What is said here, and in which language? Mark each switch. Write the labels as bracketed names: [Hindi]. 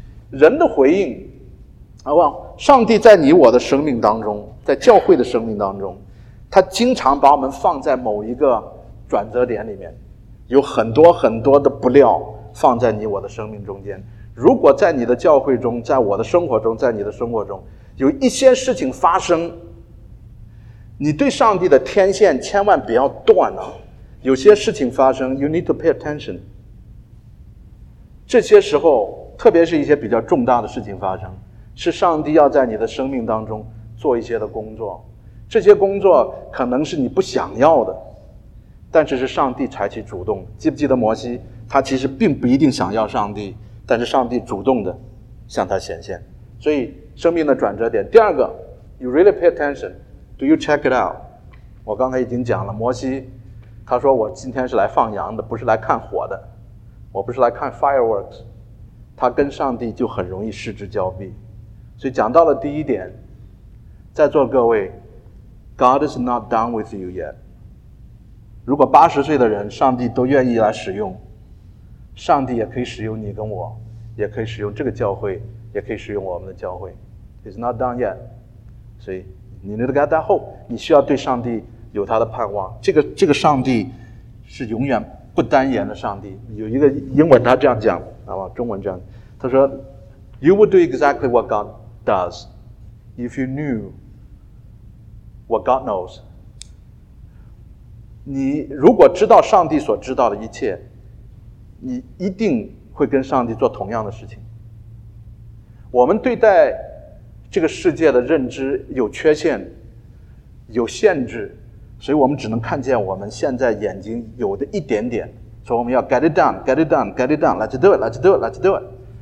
[Chinese] 人的回应，好不好？上帝在你我的生命当中，在教会的生命当中，他经常把我们放在某一个转折点里面，有很多很多的不料放在你我的生命中间。如果在你的教会中，在我的生活中，在你的生活中，有一些事情发生，你对上帝的天线千万不要断了。有些事情发生 ， [English] you need to pay attention。 [Chinese] 这些时候。特别是一些比较重大的事情发生，是上帝要在你的生命当中做一些的工作，这些工作可能是你不想要的，但只是上帝采取主动。记不记得摩西，他其实并不一定想要上帝，但是上帝主动的向他显现。所以生命的转折点，第二个 [English] You really pay attention, Do you check it out? [Chinese] 我刚才已经讲了，摩西他说我今天是来放羊的，不是来看火的，我不是来看 fireworks，他跟上帝就很容易失之交臂。所以讲到了第一点，在座各位， [English] God is not done with you yet。 [Chinese] 如果80岁的人上帝都愿意来使用，上帝也可以使用你跟我，也可以使用这个教会，也可以使用我们的教会。 [English] It's not done yet， [Chinese] 所以你 [English] need to get that hope， [Chinese] 你需要对上帝有他的盼望。这个上帝是永远不单言的上帝。有一个英文他这样讲，中文这样，他说 [English] You would do exactly what God does if you knew what God knows。 [Chinese] 你如果知道上帝所知道的一切，你一定会跟上帝做同样的事情。我们对待这个世界的认知有缺陷，有限制，所以我们只能看见我们现在眼睛有的一点点，所以我们要 [English] get it done, get it done, get it done, let's do it, [Chinese] let's do it, let's do it。